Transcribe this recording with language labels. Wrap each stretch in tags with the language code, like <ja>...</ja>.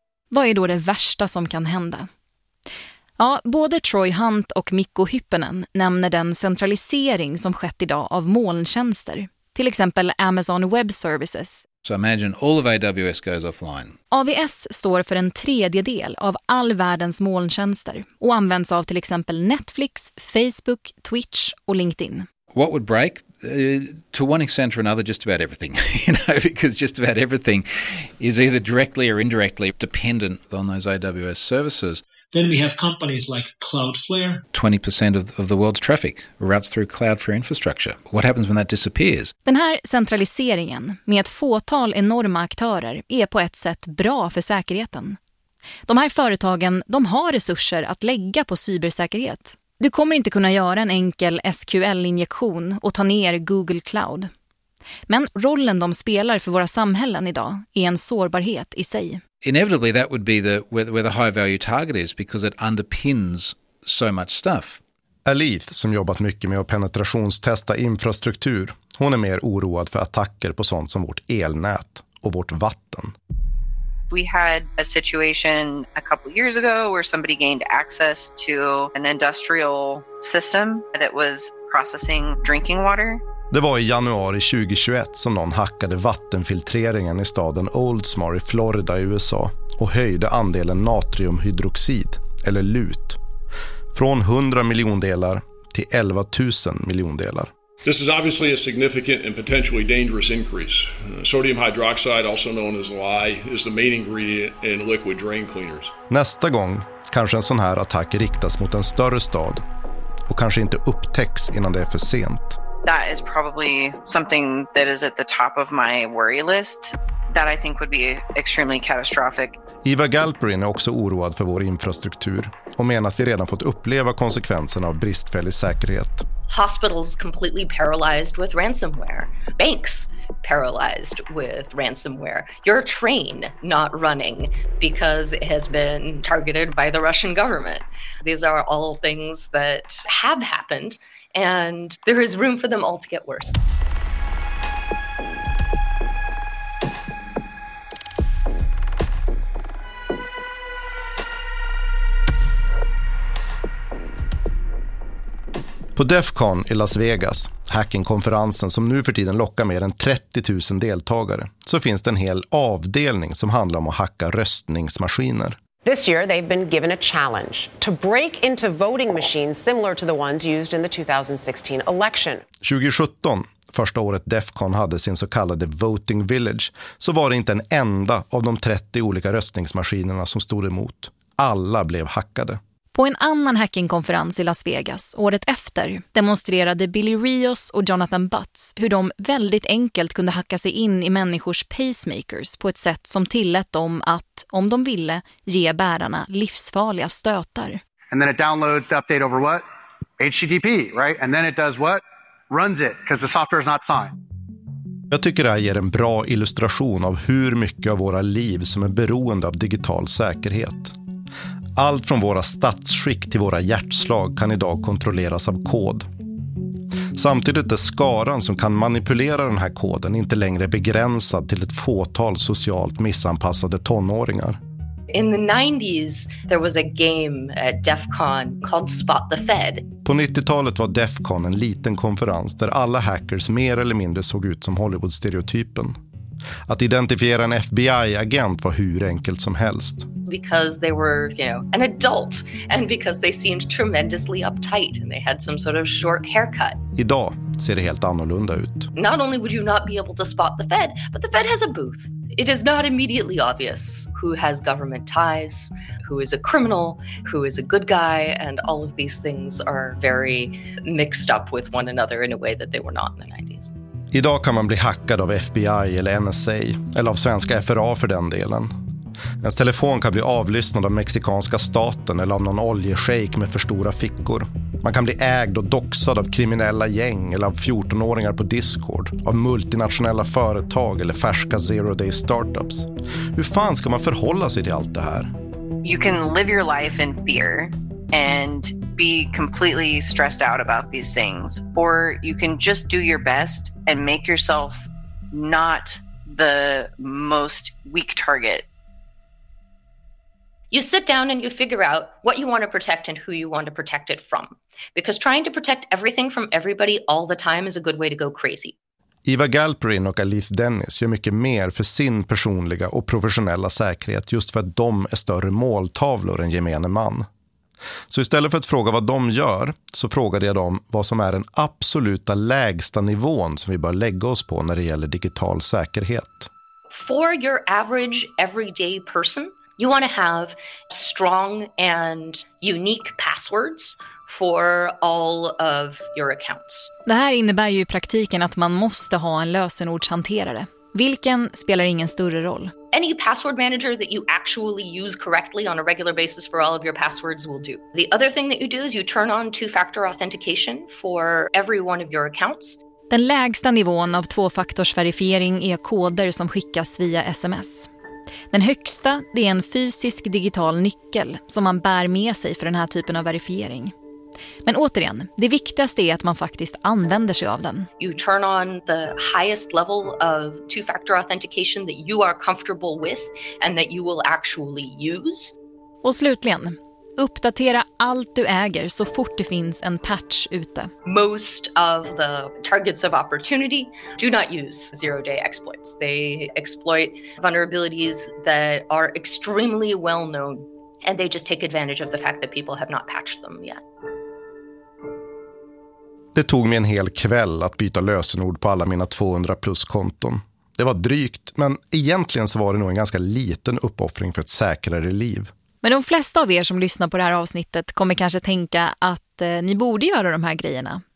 <sv>Vad är då det värsta som kan hända? Ja, både Troy Hunt och Mikko Hyppönen nämner den centralisering som skett idag av molntjänster, till exempel Amazon Web Services.</sv> <en>So imagine all of AWS goes offline.</en> <sv>AWS står för en tredjedel av all världens molntjänster och används av till exempel Netflix, Facebook, Twitch och LinkedIn.</sv> <en>What would break? To one extent or another, just about everything. You know, because just about everything is either directly or indirectly dependent on those AWS services. Then we have companies like Cloudflare. 20% of the world's traffic routes through Cloudflare infrastructure. What happens when that disappears?</en> <sv>Den här centraliseringen med ett fåtal enorma aktörer är på ett sätt bra för säkerheten. De här företagen, de har resurser att lägga på cybersäkerhet. Du kommer inte kunna göra en enkel SQL-injektion och ta ner Google Cloud. Men rollen de spelar för våra samhällen idag är en sårbarhet i sig.</sv> <en>Inevitably that would be the where the high value target is because it underpins so much stuff.</en> <sv>Alith, som jobbat mycket med att penetrationstesta infrastruktur, hon är mer oroad för attacker på sånt som vårt elnät och vårt vatten.</sv> <en>We had a situation a couple years ago where somebody gained access to an industrial system that was processing drinking water.</en> <sv>Det var i januari 2021 som någon hackade vattenfiltreringen i staden Oldsmar i Florida i USA och höjde andelen natriumhydroxid, eller LUT, från 100 miljondelar till 11 000 miljondelar.</sv> <en>This is obviously a significant and potentially dangerous increase. Sodium hydroxide, also known as lye, is the main ingredient in liquid drain cleaners.</en> <sv>Nästa gång kanske en sån här attack riktas mot en större stad och kanske inte upptäcks innan det är för sent.</sv> <en>That is probably something that is at the top of my worry list that I think would be extremely catastrophic.</en> <sv>Eva Galperin är också oroad för vår infrastruktur och menar att vi redan fått uppleva konsekvenserna av bristfällig säkerhet.</sv> <en>Hospitals completely paralyzed with ransomware. Banks paralyzed with ransomware. Your train not running because it has been targeted by the Russian government. These are all things that have happened. And there is room for them all to get worse.</en> <sv>På DEFCON i Las Vegas, hackingkonferensen som nu för tiden lockar mer än 30 000 deltagare, så finns det en hel avdelning som handlar om att hacka röstningsmaskiner.</sv> <en>This year they've been given a challenge to break into voting machines similar to the ones used in the 2016 election.</en> <sv>2017, första året DEFCON hade sin så kallade Voting Village, så var det inte en enda av de 30 olika röstningsmaskinerna som stod emot. Alla blev hackade. På en annan hackingkonferens i Las Vegas året efter demonstrerade Billy Rios och Jonathan Butts hur de väldigt enkelt kunde hacka sig in i människors pacemakers på ett sätt som tillät dem att, om de ville, ge bärarna livsfarliga stötar.</sv> <en>And then it downloads the update over what? HTTP, right? And then it does what? Runs it, because the software is not signed.</en> <sv>Jag tycker det här ger en bra illustration av hur mycket av våra liv som är beroende av digital säkerhet. Allt från våra statsskick till våra hjärtslag kan idag kontrolleras av kod. Samtidigt är skaran som kan manipulera den här koden inte längre begränsad till ett fåtal socialt missanpassade tonåringar.</sv> <en>In the 90s there was a game at DEFCON called Spot the Fed.</en> <sv>På 90-talet var DEFCON en liten konferens där alla hackers mer eller mindre såg ut som Hollywood-stereotypen. Att identifiera en FBI-agent var hur enkelt som helst.</sv> <en>Because they were, you know, an adult and because they seemed tremendously uptight and they had some sort of short haircut.</en> <sv>Idag ser det helt annorlunda ut.</sv> <en>Not only would you not be able to spot the Fed, but the Fed has a booth. It is not immediately obvious who has government ties, who is a criminal, who is a good guy, and all of these things are very mixed up with one another in a way that they were not in the 90s.</en> <sv>Idag kan man bli hackad av FBI eller NSA, eller av svenska FRA för den delen. Ens telefon kan bli avlyssnad av mexikanska staten eller av någon oljeshejk med för stora fickor. Man kan bli ägd och doxad av kriminella gäng eller av 14-åringar på Discord, av multinationella företag eller färska zero-day startups. Hur fan ska man förhålla sig till allt det här?</sv> <en>You can live your life in fear and be completely stressed out about these things, or you can just do your best and make yourself not the most weak target. You sit down and you figure out what you want to protect and who you want to protect it from. Because trying to protect everything from everybody all the time is a good way to go crazy.</en> <sv>Eva Galperin och Alith Dennis gör mycket mer för sin personliga och professionella säkerhet just för att de är större måltavlor än gemene man. Så istället för att fråga vad de gör så frågade jag dem vad som är den absoluta lägsta nivån som vi bör lägga oss på när det gäller digital säkerhet.</sv> <en>For your average everyday person, you want to have strong and unique passwords for all of your accounts.</en> <sv>Det här innebär ju i praktiken att man måste ha en lösenordshanterare. Vilken spelar ingen större roll.</sv> <en>Any password manager that you actually use correctly on a regular basis for all of your passwords will do. The other thing that you do is you turn on two-factor authentication for every one of your accounts.</en> <sv>Den lägsta nivån av tvåfaktorsverifiering är koder som skickas via sms. Den högsta det är en fysisk digital nyckel som man bär med sig för den här typen av verifiering. Men återigen, det viktigaste är att man faktiskt använder sig av den.</sv> <en>You turn on the highest level of two-factor authentication that you are comfortable with and that you will actually use.</en> <sv>Och slutligen, uppdatera allt du äger så fort det finns en patch ute.</sv> <en>Most of the targets of opportunity do not use zero-day exploits. They exploit vulnerabilities that are extremely well known and they just take advantage of the fact that people have not patched them yet.</en> <sv>Det tog mig en hel kväll att byta lösenord på alla mina 200 plus konton. Det var drygt, men egentligen så var det nog en ganska liten uppoffring för ett säkrare liv. Men de flesta av er som lyssnar på det här avsnittet kommer kanske tänka att ni borde göra de här grejerna.</sv>